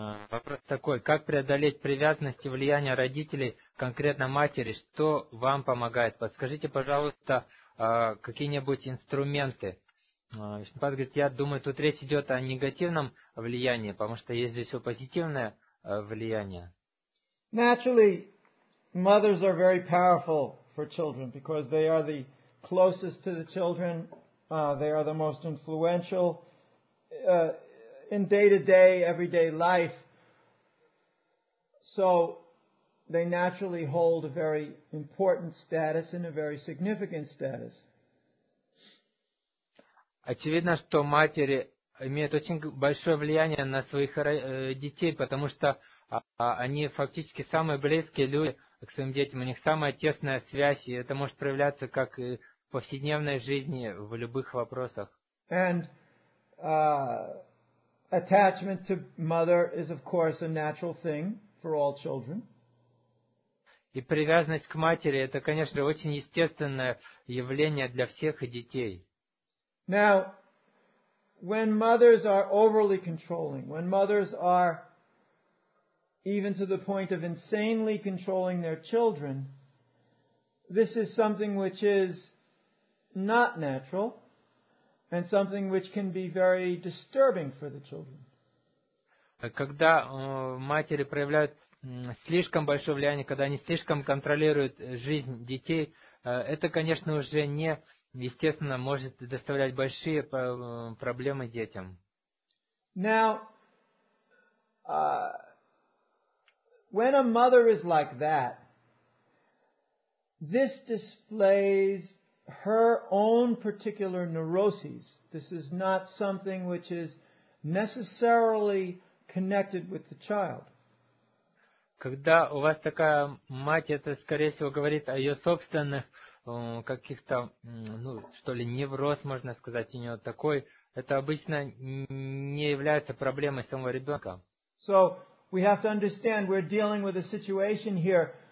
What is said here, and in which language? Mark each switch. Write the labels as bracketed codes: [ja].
[ru] Вопрос такой: как преодолеть привязанность и влияние родителей, конкретно матери? Что вам помогает? Подскажите, пожалуйста, какие-нибудь инструменты. Вишнапад говорит, я думаю, тут речь идет о негативном влиянии, потому что есть здесь все позитивное влияние. [en] Naturally. Mothers are very powerful for children because they are the closest to the children. They are the most influential in day-to-day, everyday life. So they naturally hold a very important status and a very significant status. [ru] Очевидно, что матери имеют очень большое влияние на своих детей, потому что они фактически самые близкие люди к своим детям, у них самая тесная связь, и это может проявляться как и в повседневной жизни, в любых вопросах. [en] And attachment to mother is, of course, a natural thing for all children. [ru] И привязанность к матери – это, конечно, очень естественное явление для всех детей. [en] Now, when mothers are overly controlling, when mothers are even to the point of insanely controlling their children, this is something which is not natural and something which can be very disturbing for the children. [ru] Когда матери проявляют слишком большое влияние, когда они слишком контролируют жизнь детей, это, конечно, уже не естественно, может доставлять большие проблемы детям. [en] Now, when a mother is like that, this displays her own particular neuroses. This is not something which is necessarily connected with the child. [ru] Когда у вас такая мать, это, скорее всего, говорит о ее собственных каких-то, ну, что ли, невроз, можно сказать, у нее такой. Это обычно не является проблемой самого ребенка. [en] So, we have to understand we're dealing with a situation here